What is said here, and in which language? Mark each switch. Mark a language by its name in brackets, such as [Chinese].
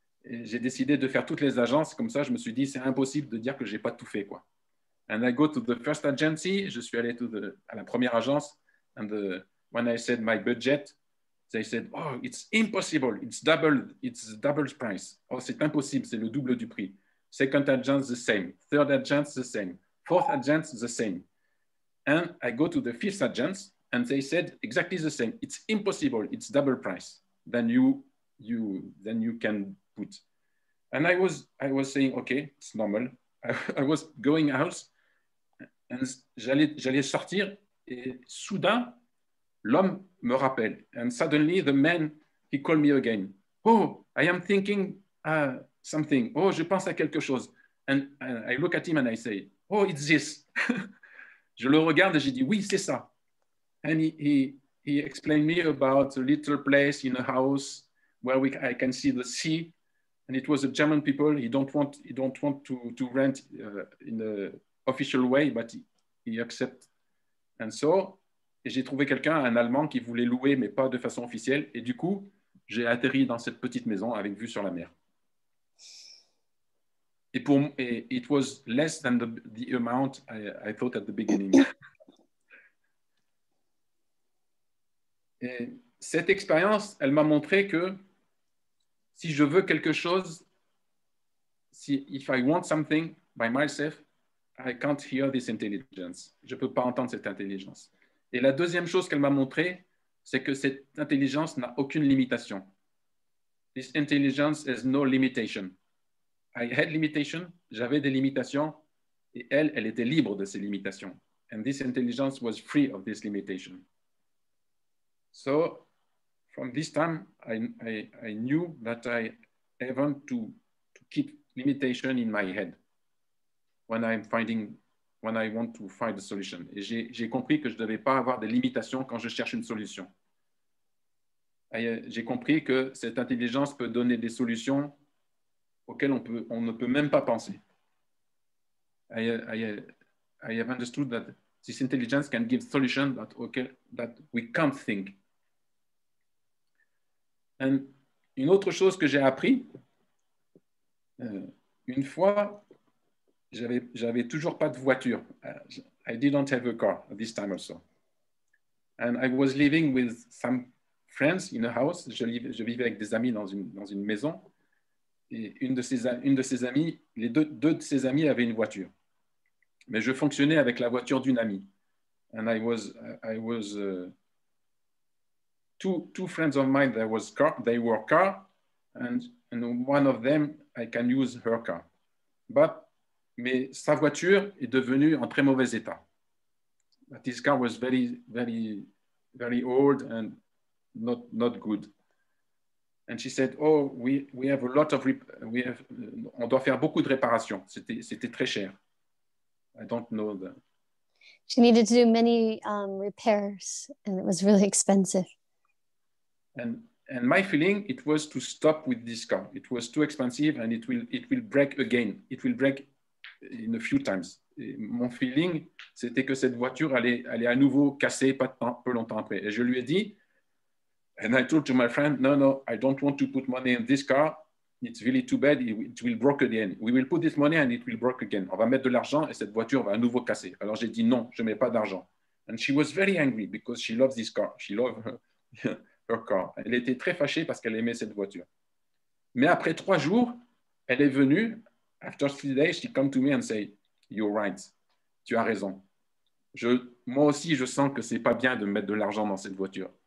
[French] Et j'ai décidé de faire toutes les agences, comme ça je me suis dit, c'est impossible de dire que je n'ai pas tout fait, quoi. [English] And I go to the first agency, [French] je suis allé à la première agence, [English] and when I said my budget, they said, oh, it's impossible, it's double price. [French] Oh, c'est impossible, c'est le double du prix. [English] Second agent, the same. Third agent, the same. Fourth agent, the same. And I go to the fifth agent, and they said exactly the same. It's impossible, it's double price than you can put. And I was saying, okay, it's normal. I was going out, and [French] j'allais sortir, et soudain, l'homme me rappelle. [English] And suddenly, the man, he called me again. Oh, I am thinking something. [French] Oh, je pense à quelque chose. [English] And I look at him and I say, oh, it's this. [French] Je le regarde et je dis, oui, c'est ça. [English] And he explained me about a little place in a house where I can see the sea. And it was a German people. He don't want to rent in an official way, but he accept. And so, [French] et j'ai trouvé quelqu'un, un Allemand, qui voulait louer, mais pas de façon officielle. Et du coup, j'ai atterri dans cette petite maison avec vue sur la mer. Et pour moi, [English] it was less than the amount I thought at the beginning. [French] Et cette expérience, elle m'a montré que si je veux quelque chose, si [English] if I want something by myself, I can't hear this intelligence. [French] Je ne peux pas entendre cette intelligence. Et la deuxième chose qu'elle m'a montré, c'est que cette intelligence n'a aucune limitation. [English] This intelligence has no limitation. I had limitation, [French] j'avais des limitations, et elle était libre de ces limitations. [English] And this intelligence was free of this limitation. So, from this time, I knew that I haven't to keep limitation in my head when I want to find a solution. [French] Et j'ai compris que je ne devais pas avoir des limitations quand je cherche une solution. J'ai compris que cette intelligence peut donner des solutions auxquelles on ne peut même pas penser. [English] I have understood that this intelligence can give solutions that we can't think. [French] And une autre chose que j'ai appris, une fois, J'avais toujours pas de voiture. [English] I didn't have a car this time also. And I was living with some friends in a house. [French] Je vivais avec des amis dans une maison. Et deux de ses amis avaient une voiture. Mais je fonctionnais avec la voiture d'une amie. [English] And I was two friends of mine that was car. They were car. And one of them, I can use her car. [French] Mais sa voiture est devenue en très mauvais état. [English] But his car was very, very, very old and not good. And she said, "Oh, we have a lot of [French] on doit faire beaucoup de réparations. C'était très cher." [English] I don't know that. She needed to do many repairs, and it was really expensive. And my feeling, it was to stop with this car. It was too expensive, and it will break again. It will break in a few times. [French] Et mon feeling, c'était que cette voiture allait à nouveau casser peu longtemps après. Et je lui ai dit, [English] and I told to my friend, no, no, I don't want to put money in this car. It's really too bad. It will break again. We will put this money and it will break again. [French] On va mettre de l'argent et cette voiture va à nouveau casser. Alors j'ai dit, non, je ne mets pas d'argent. [English] And she was very angry because she loves this car. She loves her car. [French] Elle était très fâchée parce qu'elle aimait cette voiture. Mais après 3 jours, elle est venue. [English] After 3 days, she came to me and said, "You're right. [French] tu as raison. Moi aussi, je sens que ce n'est pas bien de mettre de l'argent dans cette voiture.